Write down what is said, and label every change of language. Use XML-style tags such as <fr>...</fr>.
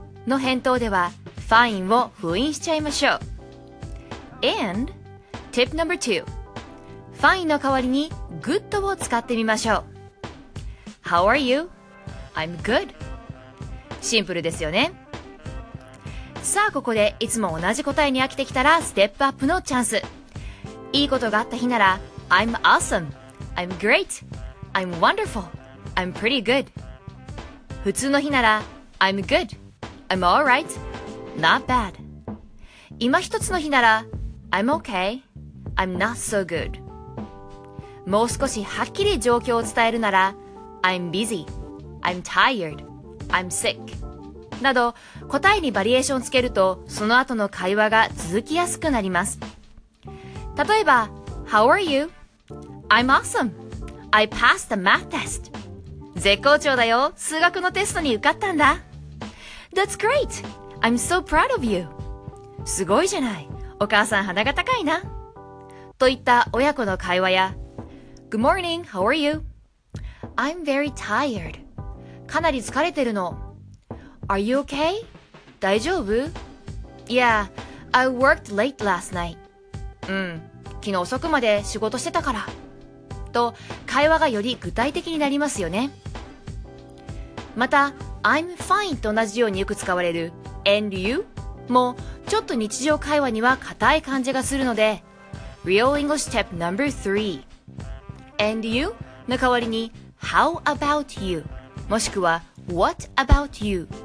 <ja>の返答では Fine を封印しちゃいましょう。</ja> <en>And Tip No.2、</en> <ja>Fine の代わりに Good を使ってみましょう。</ja> <en>How are you? I'm good。</en> <ja>シンプルですよね。さあここでいつも同じ答えに飽きてきたらステップアップのチャンス。いいことがあった日なら</ja> <en>I'm awesome, I'm great, I'm wonderful, I'm pretty good。</en> <ja>普通の日なら</ja> <en>I'm good, I'm alright, not bad。</en> <ja>今一つの日なら</ja> <en>I'm okay, I'm not so good。</en> <ja>もう少しはっきり状況を伝えるなら</ja> <en>I'm busy, I'm tired, I'm sick</en> <ja>など、答えにバリエーションをつけると、その後の会話が続きやすくなります。例えば、</ja> <en>How are you? I'm awesome. I passed the math test.</en> <ja>絶好調だよ。数学のテストに受かったんだ。</ja> <en>That's great. I'm so proud of you.</en> <ja>すごいじゃない。お母さん鼻が高いな。といった親子の会話や、</ja> <en>Good morning. How are you? I'm very tired.</en> <ja>かなり疲れてるの。</ja> <en>Are you okay?</en> <ja>大丈夫?</ja> <en>Yeah, I worked late last night.</en> <ja>昨日遅くまで仕事してたから。と、会話がより具体的になりますよね。また、</ja> <en>I'm fine</en> <ja>と同じようによく使われる</ja> <en>And you?</en> <ja>も、ちょっと日常会話には硬い感じがするので、</ja> <en>Real English Tip No.3 And you?</en> <ja>の代わりに</ja> <en>How about you?</en> <ja>もしくは</ja> <en>What about you?</en>